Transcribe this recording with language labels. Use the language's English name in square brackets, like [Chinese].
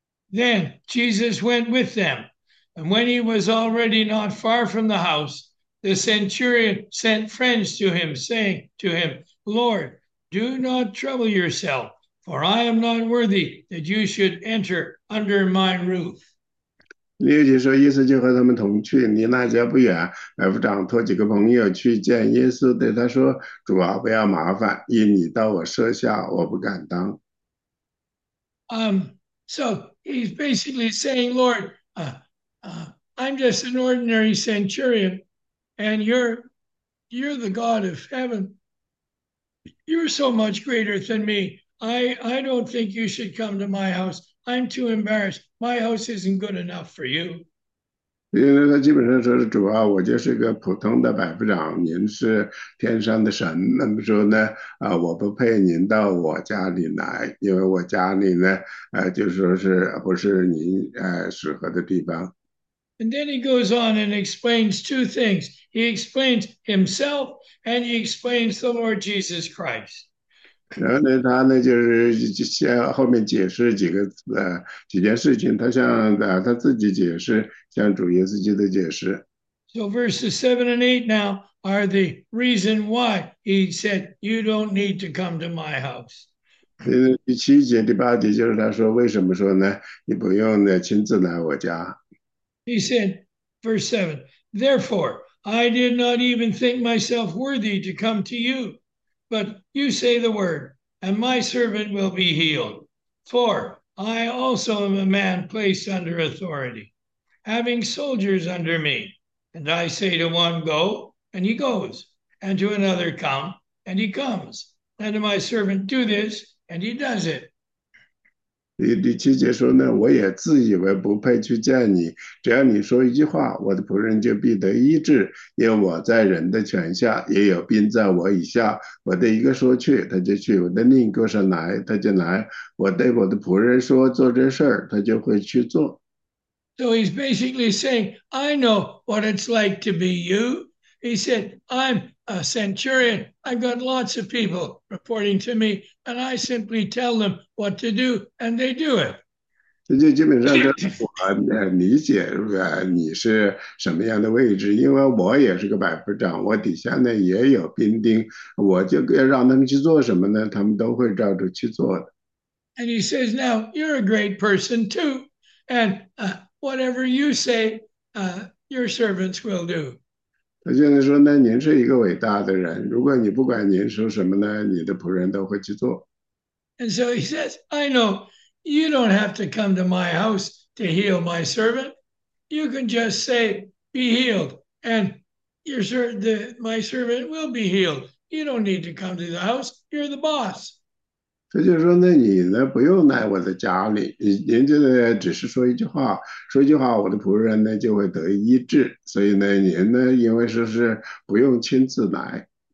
[English] Then Jesus went with them. And when he was already not far from the house, the centurion sent friends to him, saying to him, Lord, do not trouble yourself, for I am not worthy that you should enter under my roof. [Chinese] 第六节说，耶稣就和他们同去，离那家不远。百夫长托几个朋友去见耶稣，对他说：“主啊，不要麻烦，因你到我舍下，我不敢当。” [English] So he's basically saying, Lord, I'm just an ordinary centurion, and you're the God of heaven. You're so much greater than me. I don't think you should come to my house. I'm too embarrassed. My house isn't good enough for you. [Chinese] 因为他基本上说是主啊，我就是个普通的百夫长，您是天上的神，那么说呢，我不配您到我家里来，因为我家里呢，就是说是不是您适合的地方。 [English] And then he goes on and explains two things. He explains himself and he explains the Lord Jesus Christ. [Chinese] 然后呢，他呢就是先后面解释几个几件事情，他向他自己解释，向主耶稣基督解释。 [English] So verses 7 and 8 now are the reason why he said you don't need to come to my house. [Chinese] 第7节、第8节就是他说，为什么说呢？你不用呢亲自来我家。 [English] He said, verse 7, Therefore, I did not even think myself worthy to come to you, but you say the word, and my servant will be healed. For I also am a man placed under authority, having soldiers under me. And I say to one, go, and he goes, and to another, come, and he comes, and to my servant, do this, and he does it. [Chinese] 第7节说呢，我也自以为不配去见你，只要你说一句话，我的仆人就必得医治，因为我在人的权下，也有兵在我以下。我的一个说去，他就去；我的另一个说来，他就来。我对我的仆人说做这事儿，他就会去做。 [English] So he's basically saying, I know what it's like to be you. He said, I'm a centurion. I've got lots of people reporting to me, and I simply tell them what to do, and they do it. [Chinese] 这就基本上就是我理解，你是什么样的位置？因为我也是个百夫长，我底下呢也有兵丁，我就让他们去做什么呢？他们都会照着去做的。 [English] And he says, now you're a great person too. Whatever you say, your servants will do. [Chinese] 他现在说呢，您是一个伟大的人，如果你不管您说什么呢，你的仆人都会去做。 [English] And so he says, I know you don't have to come to my house to heal my servant. You can just say, be healed, and my servant will be healed. You don't need to come to the house. You're the boss. [Chinese] 他就说呢，你呢不用来我的家里，您就呢只是说一句话，说一句话，我的仆人呢就会得医治。所以呢，您呢因为说是不用亲自来。